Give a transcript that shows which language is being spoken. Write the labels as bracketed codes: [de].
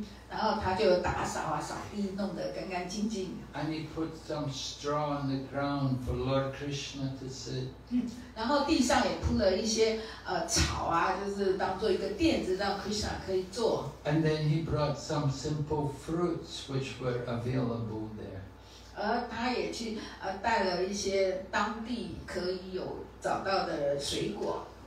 [zh] 然后他就打扫啊，扫地弄得干干净净。 [en] And he put some straw on the ground for Lord Krishna to sit. [zh] 然后地上也铺了一些草啊，就是当做一个垫子，让 Krishna 可以坐。 [en] And then he brought some simple fruits which were available there. [zh] 他也去带了一些当地可以有找到的水果。